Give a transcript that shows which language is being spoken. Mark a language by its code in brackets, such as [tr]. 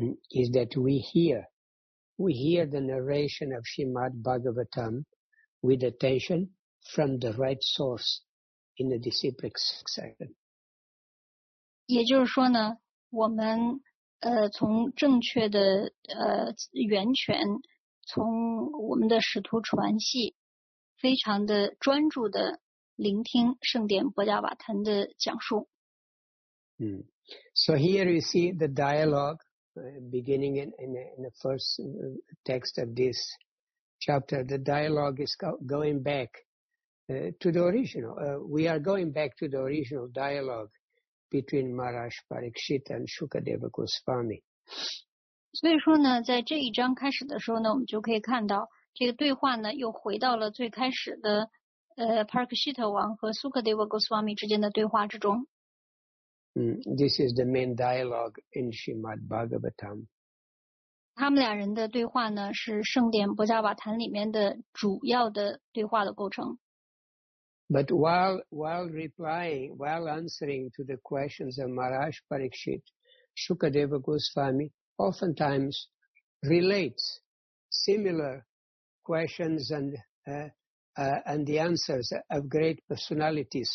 [en] Is that we hear the narration of Srimad Bhagavatam with attention from the right source in the disciplic succession. [zh] 也就是说呢，我们从正确的源泉，从我们的使徒传系，非常的专注的。聆听圣殿波加瓦坛的讲述。 [en] So here you see the dialogue beginning in the first text of this chapter, the dialogue is going back to the original. We are going back to the original dialogue between Maharaj Parikshit and Shukadeva Goswami. [zh] 所以说呢, 在这一章开始的时候呢, 我们就可以看到, 这个对话呢, 又回到了最开始的, Parikshit 王 和 Shukadeva Goswami 之间的对话之中。 [en] This is the main dialogue in Srimad Bhagavatam. [zh] 他们俩人的对话呢, 是圣典博伽瓦坛里面的主要的对话的构成。 [en] But while replying, while answering to the questions of Maharaj Parikshit, Shukadeva Goswami oftentimes relates similar questions and the answers of great personalities.